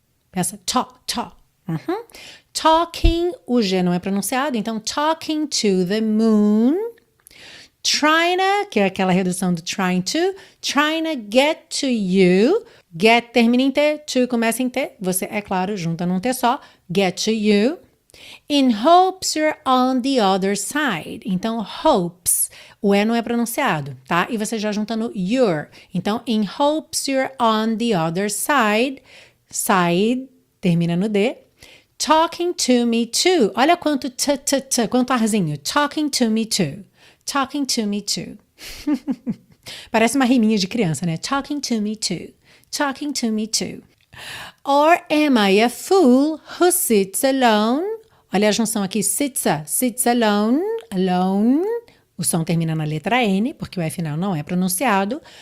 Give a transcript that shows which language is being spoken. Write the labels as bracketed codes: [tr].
[pt] Pensa talk. Uhum. Talking, o G não é pronunciado, então [en] talking to the moon. Trying, [pt] que é aquela redução do [en] trying to get to you. [pt] Get termina em T, to começa em T. Você, é claro, junta num T só. [en] Get to you. In hopes you're on the other side. Então, hopes. [pt] O E não é pronunciado, tá? E você já juntando you're. [en] Então, in hopes you're on the other side. Side, [pt] termina no D. [en] Talking to me too. [pt] Olha quanto t, t, t, quanto arzinho. [en] Talking to me too. Talking to me too. [pt] Parece uma riminha de criança, né? [en] Talking to me too. Talking to me too. Or am I a fool who sits alone? [pt] Olha a junção aqui. Sitsa. [en] Sits alone. [pt] Alone. O som termina na letra N, porque o F final não é pronunciado.